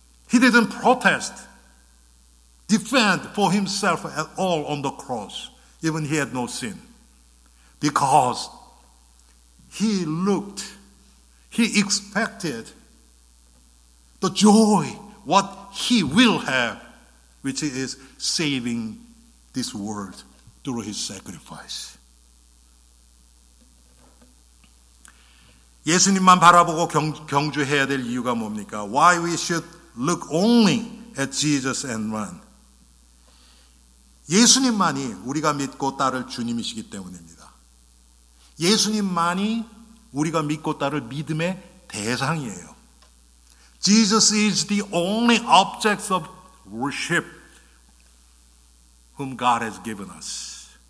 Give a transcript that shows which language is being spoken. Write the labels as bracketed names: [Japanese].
[English] He didn't protest, defend for himself at all on the cross, even he had no sin, because he looked. He expected the joy, what he will have, which is saving this world through his sacrifice. [Korean] 예수님만 바라보고 경주해야 될 이유가 뭡니까? [English] Why we should look only at Jesus and run? [Korean] 예수님만이 우리가 믿고 따를 주님이시기 때문입니다. 예수님만이 우리가 믿고 따를 믿음의 대상이에요. [English] Jesus is the only object of worship whom God has given us.